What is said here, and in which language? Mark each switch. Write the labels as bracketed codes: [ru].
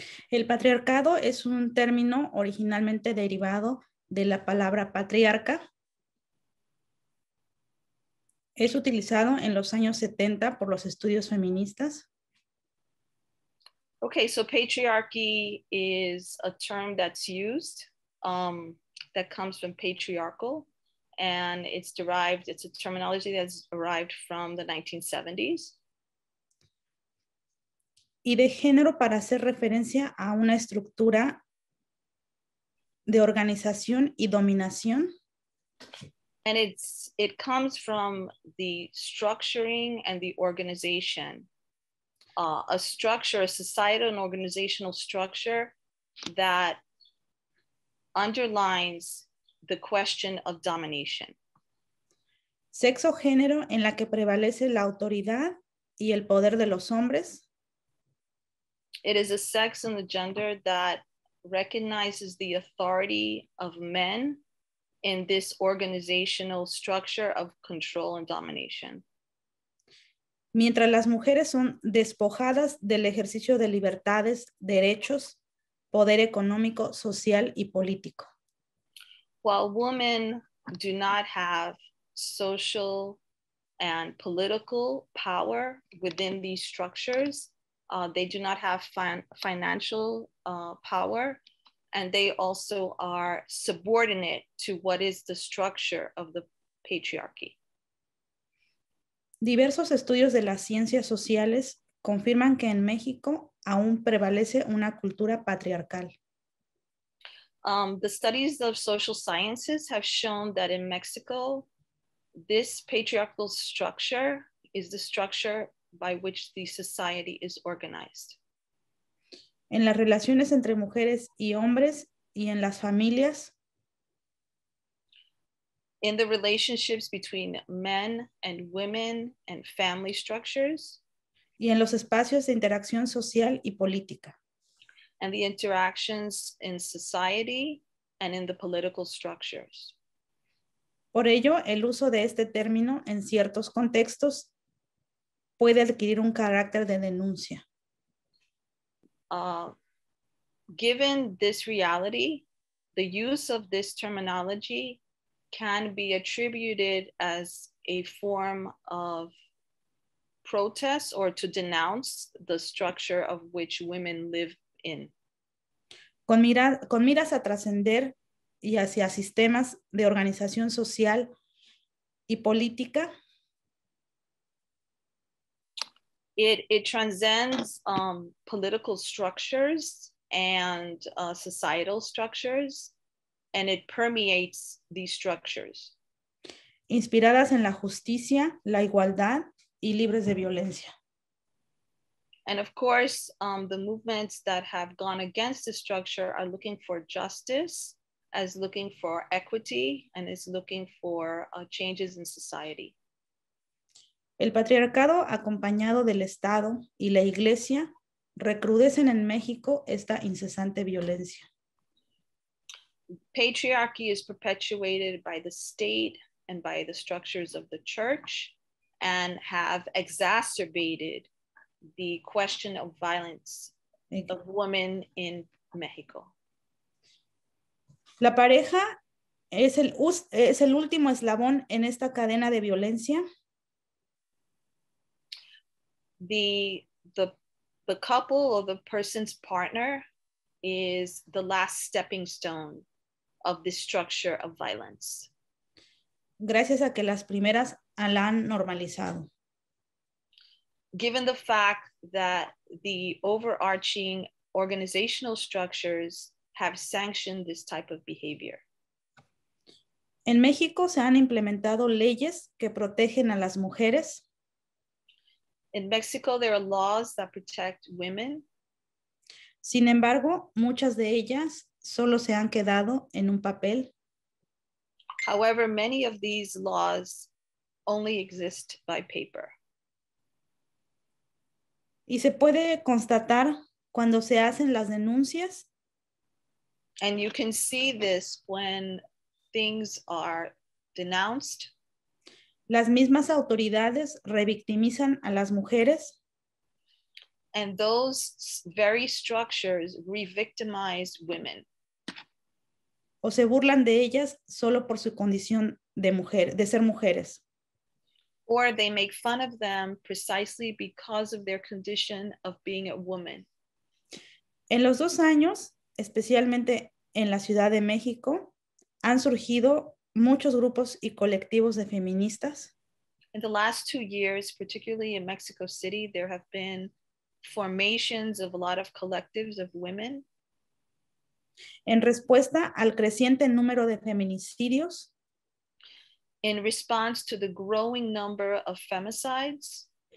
[es] El patriarcado es un término originalmente derivado de la palabra patriarca. Es utilizado en los años 70 por los estudios feministas. [en] Okay, so patriarchy is a term that's used, that comes from patriarchal, and it's derived, it's a terminology that's arrived from the 1970s. [es] Y de género para hacer referencia a una estructura de organización y dominación. [en] And it comes from the structuring and the organization. A structure, a societal and organizational structure that underlines the question of domination. [es] Sexo género en la que prevalece la autoridad y el poder de los hombres. [en] It is a sex and the gender that recognizes the authority of men in this organizational structure of control and domination. [es] Mientras las mujeres son despojadas del ejercicio de libertades, derechos, poder económico, social y político. [en] While women do not have social and political power within these structures, they do not have financial power, and they also are subordinate to what is the structure of the patriarchy. [es] Diversos estudios de las ciencias sociales confirman que en México aún prevalece una cultura patriarcal. [en] The studies of social sciences have shown that in Mexico, this patriarchal structure is the structure by which the society is organized. [es] En las relaciones entre mujeres y hombres y en las familias. [en] In the relationships between men and women and family structures. [es] Y en los espacios de interacción social y política. [en] And the interactions in society and in the political structures. [es] Por ello, el uso de este término en ciertos contextos puede adquirir un carácter de denuncia. [en] Given this reality, the use of this terminology can be attributed as a form of protest or to denounce the structure of which women live in. [es] Con miras a trascender y hacia sistemas de organización social y política. [en] It transcends political structures and societal structures, and it permeates these structures. [es] Inspiradas en la justicia, la igualdad y libres de violencia. [en] And of course, the movements that have gone against the structure are looking for justice, as looking for equity, and is looking for changes in society. [es] El patriarcado acompañado del Estado y la Iglesia recrudecen en México esta incesante violencia. [en] Patriarchy is perpetuated by the state and by the structures of the church and have exacerbated the question of violence of women in Mexico. [es] La pareja es el último eslabón en esta cadena de violencia. [en] The couple or the person's partner is the last stepping stone of this structure of violence. [es] Gracias a que las primeras la han normalizado. [en] Given the fact that the overarching organizational structures have sanctioned this type of behavior. [es] En México se han implementado leyes que protegen a las mujeres. [en] In Mexico, there are laws that protect women. [es] Sin embargo, muchas de ellas solo se han quedado en un papel. [en] However, many of these laws only exist by paper. [es] Y se puede constatar cuando se hacen las denuncias. [en] And you can see this when things are denounced. [es] Las mismas autoridades revictimizan a las mujeres. [en] And those very structures revictimize women. [es] O se burlan de ellas solo por su condición de mujer, de ser mujeres. [en] Or they make fun of them precisely because of their condition of being a woman. [es] En los dos años, especialmente en la Ciudad de México, han surgido muchos grupos y colectivos de feministas. [en] In the last 2 years, particularly in Mexico City, there have been formations of a lot of collectives of women. [es] En respuesta al creciente número de feminicidios. [en] in response to the growing number of femicides